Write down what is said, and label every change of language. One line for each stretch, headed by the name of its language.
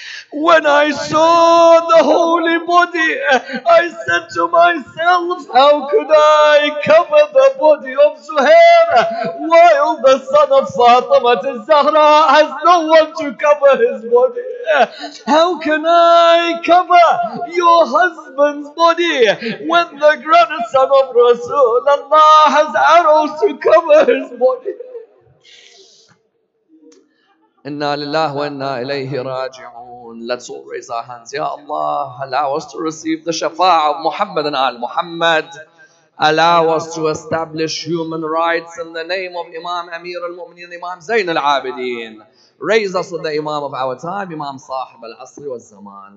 English: When I saw the holy body, I said to myself, how could I cover the body of Zuhair while the son of Fatima al-Zahra has no one to cover his body? How can I cover your husband's body when the grandson of Rasulullah has arrows to cover his body?
Arabic: إنا لله وإنا إليه راجعون.
English: Let's all raise our hands. Ya Allah, allow us to receive the shafa'ah of Muhammad and Al Muhammad. Allow us to establish human rights in the name of Imam Amir al-Mu'minin, Imam Zain al-Abidin. Raise us with the Imam of our time, Imam Sahib al-Asri wa-Zaman.